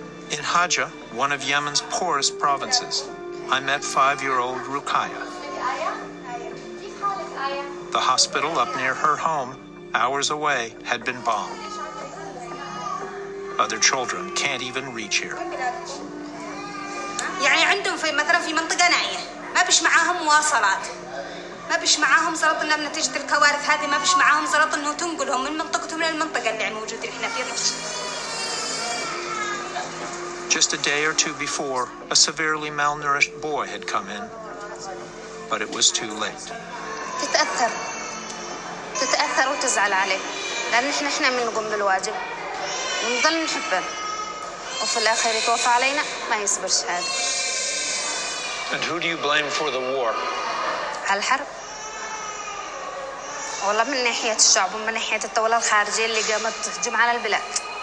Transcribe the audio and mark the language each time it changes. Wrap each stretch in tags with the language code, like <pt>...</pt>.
<en>In Hajja, one of Yemen's poorest provinces, I met 5-year-old Rukaya. The hospital up near her home, hours away, had been bombed. Other children can't even reach here.</en> <ar>يعني عندهم في مثلا في منطقة نائية ما بش معاهم مواصلات ما بش معاهم زلط إلا بنتيجة الكوارث هذه ما بش معاهم زلط إنه تنقلهم من منطقتهم للمنطقة اللي موجودين إحنا فيها.</ar> <en>Just a day or two before, a severely malnourished boy had come in. But it was too late.</en> <ar>تتأثر وتزعل عليه لأن إحنا من نقوم بالواجب ونظل نحبه وفي الآخر يتوفى علينا ما يصبرش هذا.</ar> <en>And who do you blame for the war?</en> <ar>الحرب. والله من ناحية الشعب ومن ناحية الدولة الخارجية اللي قامت تهجم على البلاد.</ar>